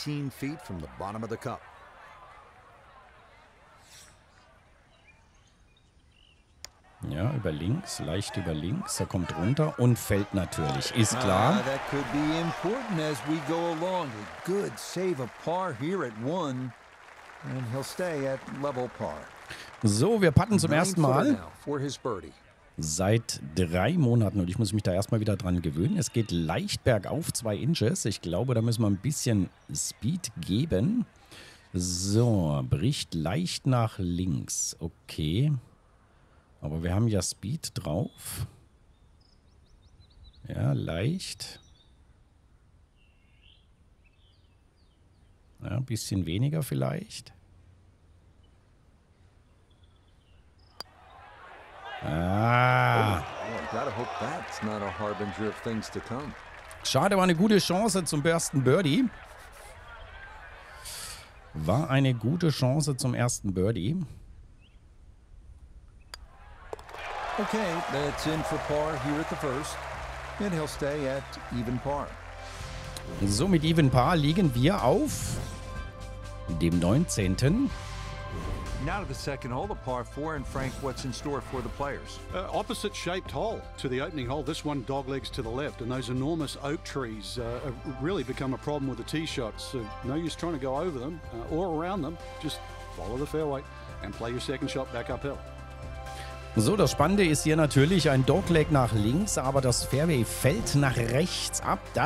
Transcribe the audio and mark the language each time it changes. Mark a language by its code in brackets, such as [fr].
[en] Feet from the bottom of the cup. [de] Ja, Ja, über links, leicht über links. Er kommt runter und fällt natürlich, ist klar. [en] That could be important as we go along. A good save of par here at one. And he'll stay at level par. [de] So, wir putten zum ersten Mal seit 3 Monaten und ich muss mich da erstmal wieder dran gewöhnen. Es geht leicht bergauf, 2 Inches. Ich glaube, da müssen wir ein bisschen Speed geben. So, bricht leicht nach links. Okay. Aber wir haben ja Speed drauf. Ja, leicht. Ja, ein bisschen weniger vielleicht. Ah. Oh, schade, war eine gute Chance zum ersten Birdie. War eine gute Chance zum ersten Birdie. [en] Okay, that's in for par here at the first. And he'll stay at even par. [de] So, mit even par liegen wir auf dem 19. [en] Now to the second hole, the par 4, and Frank, what's in store for the players? Opposite shaped hole to the opening hole, this one doglegs to the left, and those enormous oak trees have really become a problem with the tee shots. So no use trying to go over them or around them, just follow the fairway and play your second shot back uphill. [de] So, das Spannende ist hier natürlich ein Dogleg nach links, aber das Fairway fällt nach rechts ab.